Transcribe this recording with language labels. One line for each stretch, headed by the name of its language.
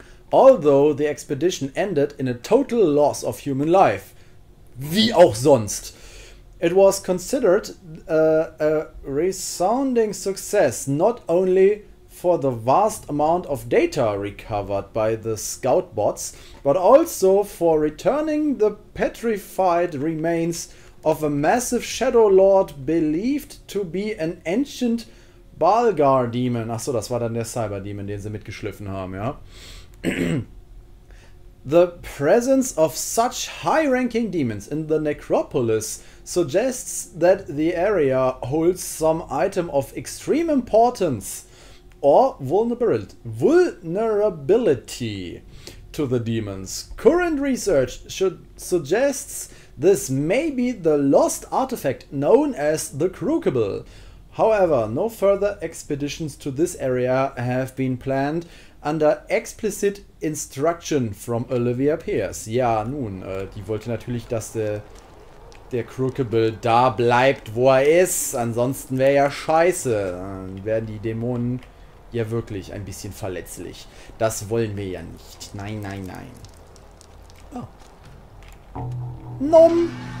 English: Although the expedition ended in a total loss of human life,
German: wie auch sonst,
English: it was considered a resounding success, not only for the vast amount of data recovered by the scout bots, but also for returning the petrified remains of a massive shadow lord believed to be an ancient Balgar demon.
German: Achso, das war dann der Cyberdemon, den sie mitgeschliffen haben, ja.
English: The presence of such high-ranking demons in the necropolis suggests that the area holds some item of extreme importance or vulnerability to the demons. Current research suggests this may be the lost artifact known as the Crucible. However, no further expeditions to this area have been planned under explicit instruction from Olivia Pierce.
German: Ja, nun, die wollte natürlich, dass der Crucible da bleibt, wo er ist. Ansonsten wäre ja scheiße. Dann wären die Dämonen ja wirklich ein bisschen verletzlich. Das wollen wir ja nicht. Nein, nein, nein. Oh. Nom!